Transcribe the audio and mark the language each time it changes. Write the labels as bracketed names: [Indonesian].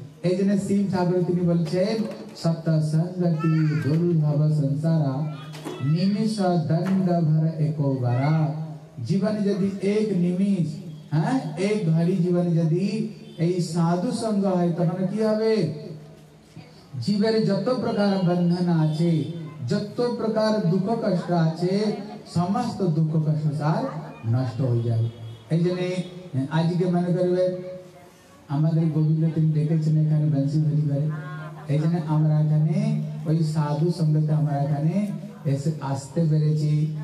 [Bangla] এই জন্য শিব ঠাকুর তিনি বলছেন সত্য সঙ্গতি দুর্ভব সংসারা নিমিষ দণ্ড ভর এক বারা। জীবন যদি এক নিমিষ, হ্যাঁ, এক ঘড়ি জীবন যদি এই সাধু সঙ্গ হয় তখন কি হবে? জীবের যত প্রকার বন্ধন আছে, যত প্রকার দুঃখ কষ্ট আছে [Hindi] समस्त दुख का संसार नष्ट हो जाए। [Bangla] এইজনে আজকে মনে করবে আমাদের গোবিন্দ তিনি দেখেছেন এখানে বংশী বলি করে, এই জন্য আমরা এখানে ওই সাধু সঙ্গত আমরা এখানে এসে আসতে পেরেছি।